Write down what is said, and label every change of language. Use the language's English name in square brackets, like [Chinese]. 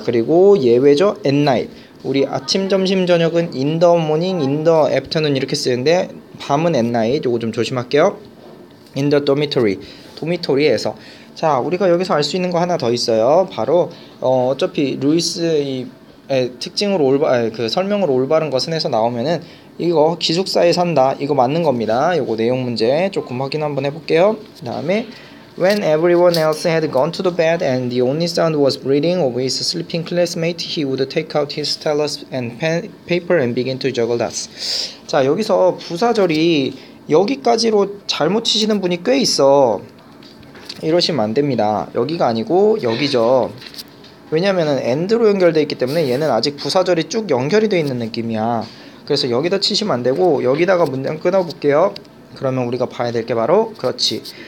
[Korean] 그리고 예외죠. at night. 우리 아침, 점심, 저녁은 [English] in the morning, in the afternoon [Korean] 이렇게 쓰는데 밤은 at night. 요거 좀 조심할게요. in the dormitory. 도미토리에서. 자, 우리가 여기서 알 수 있는 거 하나 더 있어요. 바로 어차피 루이스의 특징으로 설명으로 올바른 것은 해서 나오면은 이거 기숙사에 산다. 이거 맞는 겁니다. 이거 내용 문제 조금 확인 한번 해볼게요. 그 다음에 [English] When everyone else had gone to the bed and the only sound was breathing of his sleeping classmate, he would take out his stylus and pen, paper and begin to juggle dots. [Korean] 자, 여기서 부사절이 여기까지로 잘못 치시는 분이 꽤 있어. 이러시면 안됩니다. 여기가 아니고 여기죠. 왜냐면은 end로 연결되어 있기 때문에 얘는 아직 부사절이 쭉 연결이 되어 있는 느낌이야. 그래서 여기다 치시면 안되고 여기다가 문장 끊어볼게요. 그러면 우리가 봐야 될게 바로 그렇지.